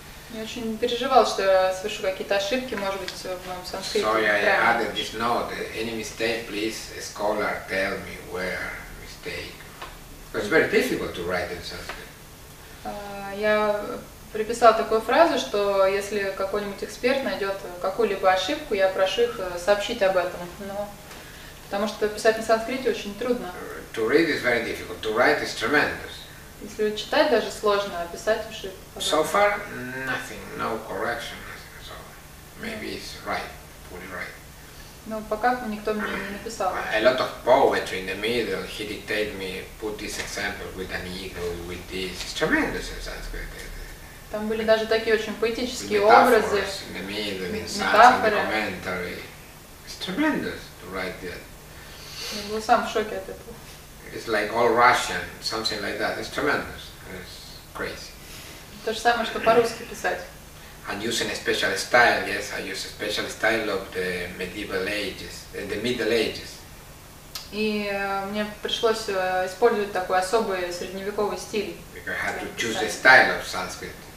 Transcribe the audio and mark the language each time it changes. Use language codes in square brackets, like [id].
[ru] Я очень переживал, что я совершу какие-то ошибки, может быть, в моем санскрите. [en] So yeah, I added this note, any mistake, please, a scholar, tell me where mistake. It's very difficult to write in Sanskrit. [ru] Я приписал такую фразу, что если какой-нибудь эксперт найдет какую-либо ошибку, я прошу их сообщить об этом. Но... Потому что писать на санскрите очень трудно. [en] To read is very difficult, to write is tremendous. [ru] Если читать даже сложно, а писать уже... Пожалуйста. [en] So far, nothing, no correction, nothing. So maybe it's right, fully right. [ru] Ну, пока никто мне не написал. [en] A lot of poetry in the middle, he dictated me, put this example with an eagle, with this. It's tremendous in Sanskrit. [ru] Там были даже такие очень поэтические образы. [en] Metaphors in the middle, in Sanskrit, commentary. It's tremendous to write that. [ru] Я был сам в шоке от этого. [en] It's like all Russian, something like that. It's tremendous. It's crazy. [ru] То же самое, что по-русски писать. [en] And using a special style, yes, I use a special style of the medieval ages, the Middle Ages. [ru] И мне пришлось использовать такой особый средневековый стиль. [en] Because I had to choose a style of Sanskrit.